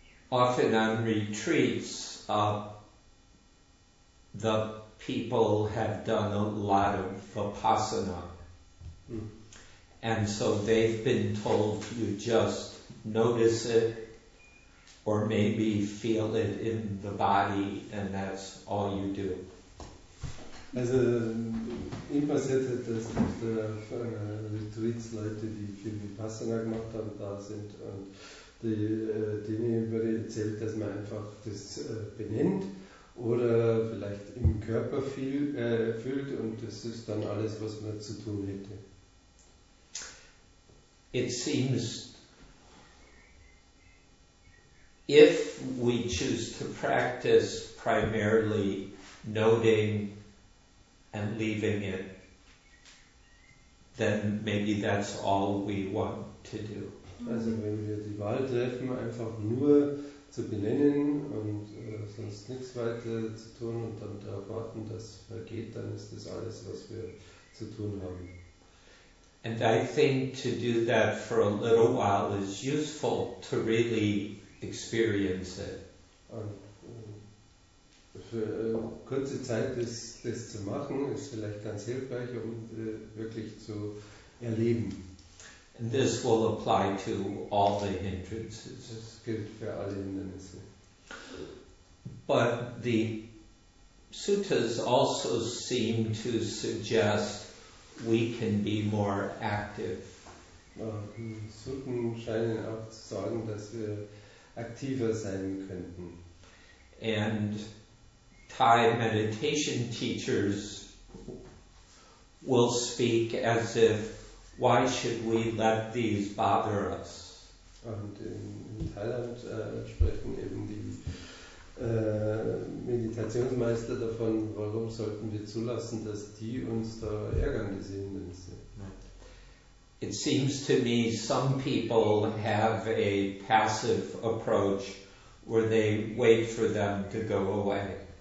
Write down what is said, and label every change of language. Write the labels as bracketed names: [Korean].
[English] Often on retreats, the people have done a lot of Vipassana. And so they've been told you just notice it, or maybe feel it in the body, and that's all you do. [German] Also, ihm passiert hat, dass auf Retreats Leute, die viel Vipassana gemacht haben, da sind und Dini wurde erzählt, dass man einfach das benennt oder vielleicht im Körper fühlt und das ist dann alles, was man zu tun hätte. [English] It seems if we choose to practice primarily noting and leaving it, then maybe that's all we want to do. [German] Also wenn wir die Wahl treffen, einfach nur zu benennen und sonst nichts weiter zu tun und dann darauf warten, dass es vergeht, dann ist das alles, was wir zu tun haben. [English] And I think to do that for a little while is useful to really experience it. [German] Und für kurze Zeit das zu machen, ist vielleicht ganz hilfreich, um wirklich zu erleben. [English] And this will apply to all the hindrances. [German] Das gilt für alle Hindernisse. [English] But the suttas also seem to suggest we can be more active. [German] Die Sutten scheinen auch zu sagen, dass wir aktiver sein könnten. [English] And Thai meditation teachers will speak as if, why should we let these bother us? [German] Und in Thailand sprechen eben die Meditationsmeister davon, warum sollten wir zulassen, dass die uns da ärgern, diese Hindernisse. [English] It seems to me some people have a passive approach where they wait for them to go away.